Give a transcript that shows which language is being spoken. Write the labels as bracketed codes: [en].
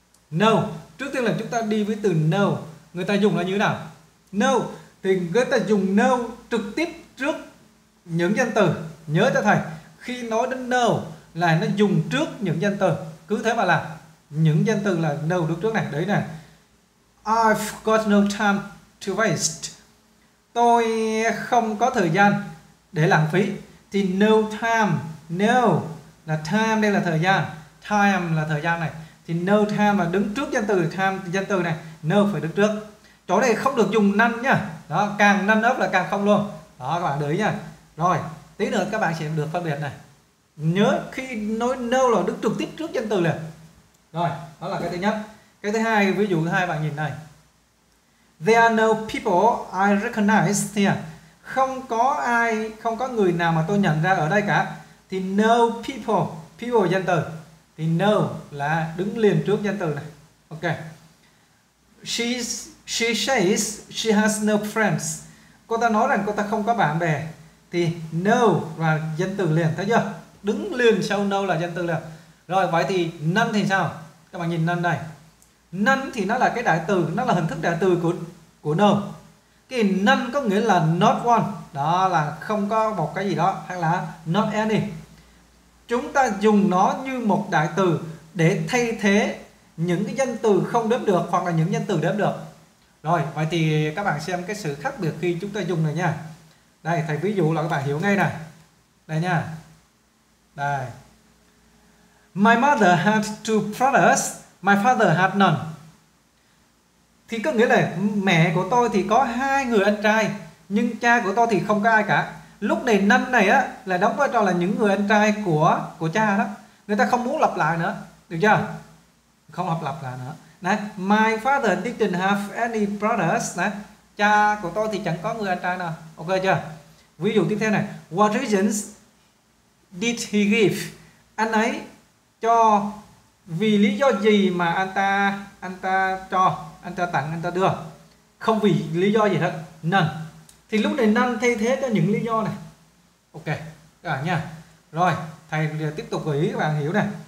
[vi] No, trước tiên là chúng ta đi với từ no. Người ta dùng là như thế nào? No, thì người ta dùng no trực tiếp trước những danh từ. Nhớ cho thầy, khi nói đến no là nó dùng trước những danh từ. Cứ thế mà làm. Những danh từ là no được trước này. Đấy nè, [en] I've got no time to waste. [vi] Tôi không có thời gian để lãng phí. Thì no time, no là time, đây là thời gian, time là thời gian này. Thì no time là đứng trước danh từ time, danh từ này, no phải đứng trước. Chỗ này không được dùng none nhá. Đó, càng none up là càng không luôn. Đó, các bạn để ý nha. Rồi, tí nữa các bạn sẽ được phân biệt này. Nhớ khi nói no là đứng trực tiếp trước danh từ liền. Rồi, đó là cái thứ nhất. Cái thứ hai, ví dụ thứ hai bạn nhìn này. [en] There are no people I recognize here. [vi] Không có ai, không có người nào mà tôi nhận ra ở đây cả. Thì no people, people danh từ. Thì no là đứng liền trước danh từ này. Ok. [en] She says she has no friends. [vi] Cô ta nói rằng cô ta không có bạn bè. Thì no là danh từ liền, thấy chưa? Đứng liền sau no là danh từ liền. Rồi vậy thì none thì sao? Các bạn nhìn none đây. None thì nó là cái đại từ, nó là hình thức đại từ của no. Cái none có nghĩa là not one, đó là không có một cái gì đó, hay là not any. Chúng ta dùng nó như một đại từ để thay thế những cái danh từ không đếm được hoặc là những danh từ đếm được. Rồi, vậy thì các bạn xem cái sự khác biệt khi chúng ta dùng này nha. Đây, thầy ví dụ là các bạn hiểu ngay này. Đây nha. Đây. [en] My mother had two brothers, my father had none. [vi] Thì có nghĩa là mẹ của tôi thì có hai người anh trai, nhưng cha của tôi thì không có ai cả. Lúc này năm này á là đóng vai trò là những người anh trai của cha đó. Người ta không muốn lặp lại nữa, được chưa? Không lặp lại nữa. [en] Này, my father didn't have any brothers. [vi] Này, cha của tôi thì chẳng có người anh trai nào. Ok chưa? Ví dụ tiếp theo này. [en] What reasons did he give? [vi] Anh ấy cho vì lý do gì mà anh ta cho? Anh ta tặng, anh ta đưa. Không vì lý do gì hết. None. Thì lúc này none thay thế cho những lý do này. Ok, cả nha. Rồi, thầy tiếp tục gợi ý các bạn hiểu nè.